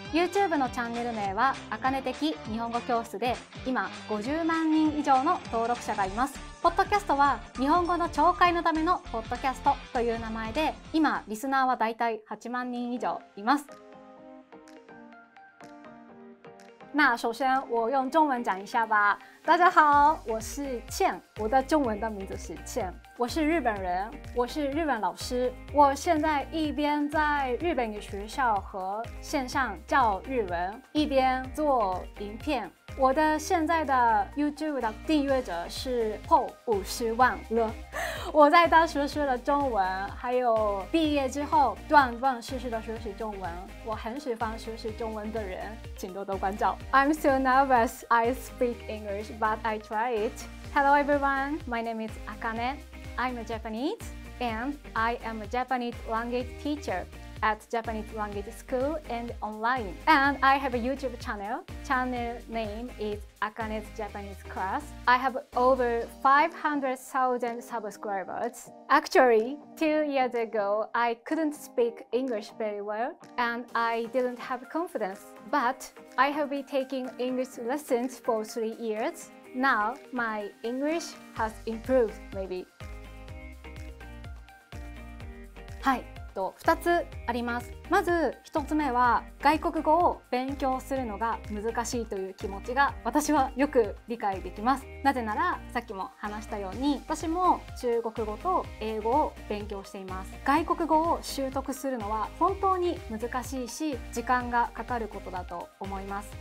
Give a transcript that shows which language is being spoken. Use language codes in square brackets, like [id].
[ja] YouTube のチャンネル名はあかね的日本語教室で、今50万人以上の登録者がいます。ポッドキャストは日本語の聴解のためのポッドキャストという名前で、今リスナーはだいたい8万人以上います。 [zh] 那首先我用中文讲一下吧。大家好，我是倩，我的中文的名字是倩。我是日本人，我是日本老师，我现在一边在日本语学校和线上教日文，一边做影片。我的现在的 YouTube 的订阅者是破50万了。我在大学学了中文，还有毕业之后断断续续的学习中文。我很喜欢学习中文的人，请多多关照。 [en] I'm so nervous. I speak English, but I try it. Hello, everyone. My name is Akane. I'm a Japanese, and I am a Japanese language teacher. At Japanese language school and online. And I have a YouTube channel. Channel name is Akane's Japanese Class. I have over 500,000 subscribers. Actually, 2 years ago, I couldn't speak English very well and I didn't have confidence. But I have been taking English lessons for 3 years. Now my English has improved, maybe. Hi. [ja] 2つあります。まず1つ目は、外国語を勉強するのが難しいという気持ちが私はよく理解できます。なぜなら、さっきも話したように、私も中国語と英語を勉強しています。外国語を習得するのは本当に難しいし、時間がかかることだと思います。